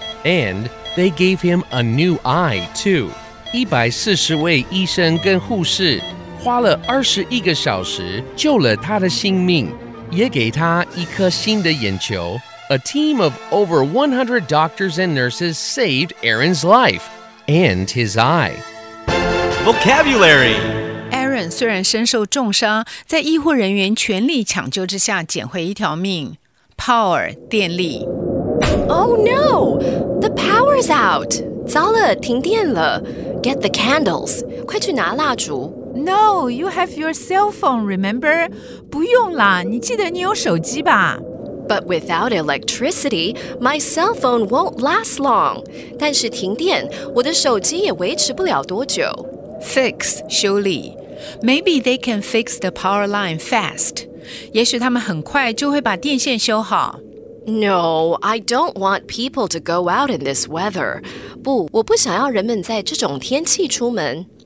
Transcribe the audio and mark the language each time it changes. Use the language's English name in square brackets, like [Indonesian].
[English] And they gave him a new eye, too. [Chinese] 140位医生跟护士花了21个小时救了他的性命，也给他一颗新的眼球。 [English] A team of over 100 doctors and nurses saved Aaron's life and his eye. Vocabulary! [Chinese] Aaron 虽然身受重伤，在医护人员全力抢救之下捡回一条命。 Power 电力。 [English] Oh no! The power's out! [Chinese] 糟了，停电了。 [English] Get the candles. [Chinese] 快去拿蜡烛。 [English] No, you have your cell phone, remember? [Chinese] 不用啦，你记得你有手机吧。 [English] But without electricity, my cell phone won't last long. [Chinese] 但是停电，我的手机也维持不了多久。 Fix 修理。 [English] Maybe they can fix the power line fast. [Chinese] 也许他们很快就会把电线修好。 [English] No, I don't want people to go out in this weather. [Chinese] 不，我不想要人们在这种天气出门。